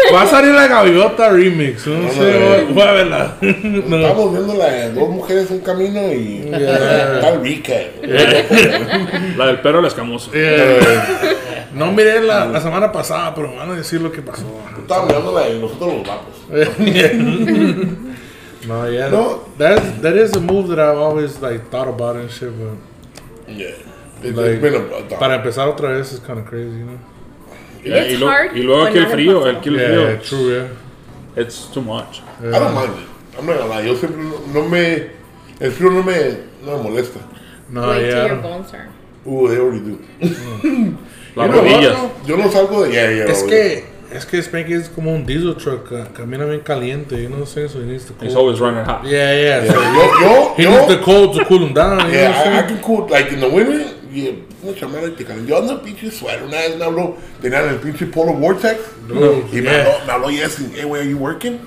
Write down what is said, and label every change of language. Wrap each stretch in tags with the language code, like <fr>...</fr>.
<es>Va a salir la gaviota remix. No, no sé, voy a verla. Estamos viendo la de dos mujeres en un camino y. Tal rica. La del perro la escamoso. No miré la semana pasada, pero me van a decir lo que pasó. Estaba mirando la de nosotros los vatos.</es> <en>No, yeah. No, that is a move that I've always thought about and shit, but. Yeah. It's been a thought. Para empezar otra vez es kind of crazy, you know? Yeah, it's hard.</en> <es>Y luego aquí el frío,</es> <en>Yeah, true, yeah. It's too much. Yeah. I don't mind it. I'm not gonna lie. Yo siempre El frío no me molesta. No, wait, yeah. Your bones are. Ooh, they already do.</en> <es>Las rodillas. Yo no salgo de... Yeah, es que Spanky es como un diesel truck. Camina bien caliente.</es> <en>You know what I'm saying? So he needs to cool. He's always running hot. Yeah. So he needs the cold to cool him down.</en> <es>Yeah, you know, I can cool. Like in the winter, mucha madre te calienta. Yo ando en pinche sweater. Una vez me habló. Tenía en el pinche polo Vortex.</es> <en>Me habló y asking, hey, where are you working?</en>